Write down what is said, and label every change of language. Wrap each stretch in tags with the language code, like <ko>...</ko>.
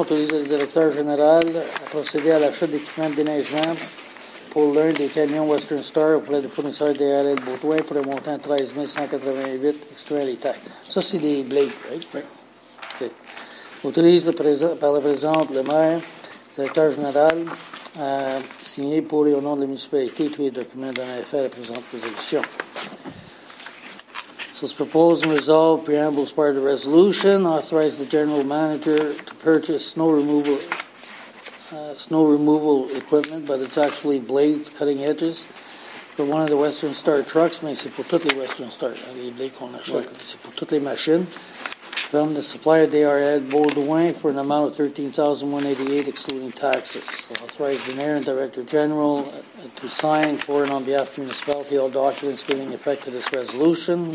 <fr>Autorise le directeur général à procéder à l'achat d'équipement de déneigement pour l'un des camions Western Star auprès du fournisseur DRL Beaudoin pour un montant de 13 188 excluant les taxes. Ça, c'est des blagues, right? Oui. Autorise par la présente le maire, directeur général, à signer pour et au nom de la municipalité tous les documents donnés à faire la présente résolution.</fr> <en>So this proposal and resolve preamble as part of the resolution. Authorize the general manager to purchase snow removal equipment, but it's actually blades, cutting edges, for one of the Western Star trucks.</en> <fr>Mais c'est pour toutes les Western Star, les blades qu'on achète, c'est pour toutes les machines.</fr> <en>From the supplier, they are at Beaudoin for an amount of $13,188, excluding taxes. So authorize the mayor and director general to sign for and on behalf of the municipality all documents giving effect to this resolution.</en>